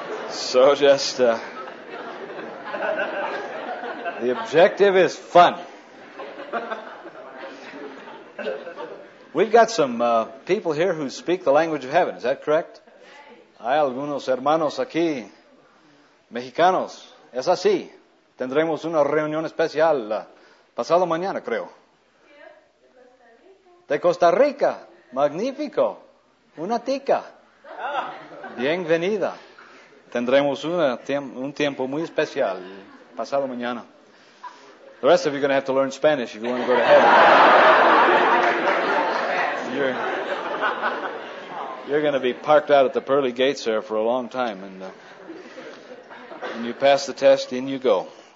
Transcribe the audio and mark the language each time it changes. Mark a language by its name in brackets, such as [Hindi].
[English] So just... the objective is fun. We've got some people here who speak the language of heaven. Is that correct? [Spanish] Hay algunos hermanos aquí, mexicanos. Es así. Tendremos una reunión especial pasado mañana, creo. De Costa Rica. Magnífico. Una tica. Bienvenida. Tendremos un tiempo muy especial pasado mañana. [English] The rest of you are going to have to learn Spanish if you want to go to heaven. You're going to be parked out at the pearly gates there for a long time. And when you pass the test, in you go.